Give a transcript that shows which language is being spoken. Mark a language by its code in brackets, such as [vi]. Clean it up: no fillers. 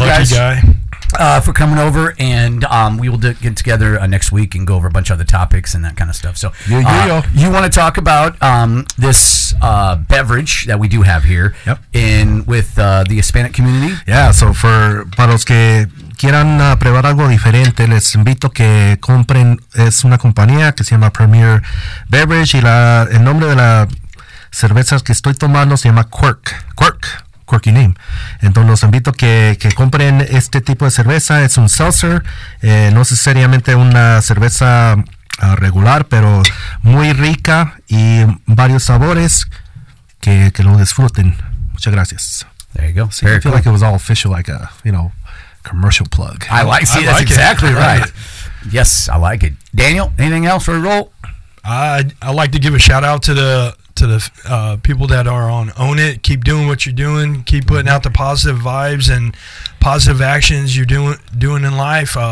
[en] lucky guys, guy. For coming over. And we will get together next week and go over a bunch of other topics and that kind of stuff. So you want to talk about this beverage that we do have here in with the Hispanic community? Yeah, so for Paros que... [es] quieran probar algo diferente, les invito que compren, es una compañía que se llama Premier Beverage y el nombre de la cerveza que estoy tomando se llama Quirky Name. Entonces los invito que compren este tipo de cerveza, es un seltzer, no necesariamente una cerveza regular, pero muy rica y varios sabores que lo disfruten. Muchas gracias. [en] There you go. See, I feel like it was all official, like a, you know, commercial plug. I like. See, I that's like exactly it. Right. Yes, I like it. Daniel, anything else for a roll? I like to give a shout out to the people that are on Own It. Keep doing what you're doing. Keep putting out the positive vibes and positive actions you're doing in life.